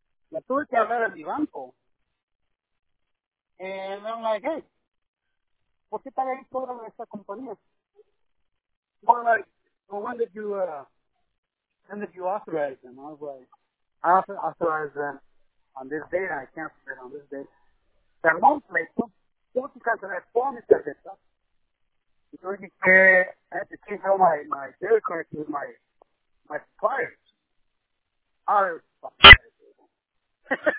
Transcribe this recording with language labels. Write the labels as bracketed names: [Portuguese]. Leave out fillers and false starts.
[Spanish] La tuve que hablar a mi banco. [English] And I'm like, hey, [Spanish] ¿por qué pagas todo a esta compañía? [English] Well, like, well, when did you authorize them? I was like, I authorized them on this day, and I canceled it on this day. Their mom placed them. [Spanish] ¿Cómo te cancelas todo mi tarjeta? [English] I had to change all my credit cards with my suppliers. Oh, they were fucking bad.